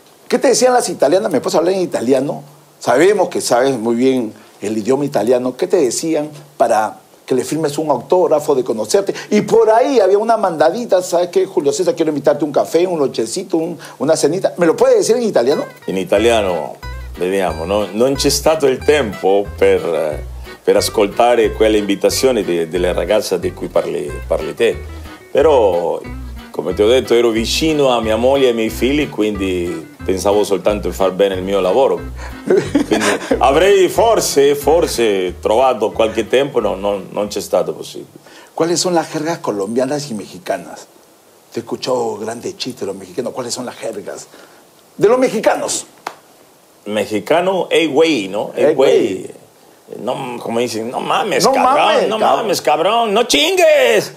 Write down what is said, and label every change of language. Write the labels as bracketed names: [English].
[Spanish] ¿Qué te decían las italianas? Me puedes hablar en italiano. Sabemos que sabes muy bien el idioma italiano. ¿Qué te decían para que le firmes un autógrafo, de conocerte? Y por ahí había una mandadita, ¿sabes qué, Julio César? Quiero invitarte un café, un lochecito, una cenita. ¿Me lo puedes decir en italiano? En italiano, veníamos, ¿no? [Italian] Non c'è stato il tempo per ascoltare quella invitazione delle ragazze di cui parli te. Però come ti ho detto, ero vicino a mia moglie e ai miei figli, quindi pensavo soltanto di far bene il mio lavoro. Quindi avrei forse trovato qualche tempo, non c'è stato possibile. [Spanish] ¿Cuáles son las jergas colombianas y mexicanas? Te he escuchado grandes chistes de los mexicanos. ¿Cuáles son las jergas de los mexicanos? Mexicano, ey güey, ¿no? Ey güey. No, como dicen, no mames, no cabrón, mames, no cabrón. Mames, cabrón, no chingues.